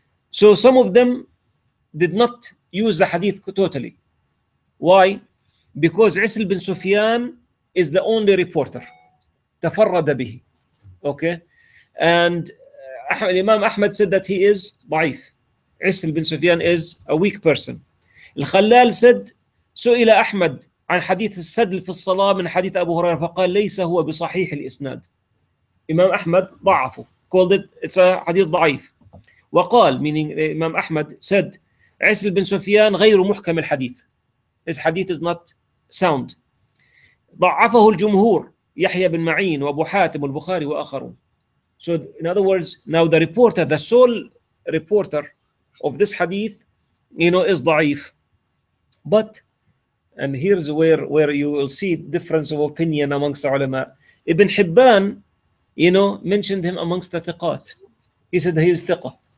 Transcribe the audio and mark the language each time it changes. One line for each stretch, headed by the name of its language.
English: So some of them did not use the hadith totally. Why? Because عسل بن سفيان is the only reporter.
Arabic: تفرد به. Okay.
English: And Imam Ahmad said that he is ضعيف. عسل بن سفيان is a weak person.
Arabic: الخلال said, سئل أحمد عن حديث السدل في الصلاة من حديث أبو هريرة فقال ليس هو بصحيح الإسناد. إمام أحمد ضعفه.
English: Called it, it's a حديث ضعيف.
Arabic: وقال,
English: meaning
Arabic: إمام أحمد said, عسل بن سفيان غير محكم الحديث.
English: His hadith is not sound.
Arabic: ضعفه الجمهور, يحيى بن معين وأبو حاتم والبخاري وآخرون.
English: So in other words, now the reporter, the sole reporter of this hadith, you know, is ضعيف. But, and here's where you will see difference of opinion amongst the ulama. Ibn Hibban, you know, mentioned him amongst the thiqat. He said he is thiqah.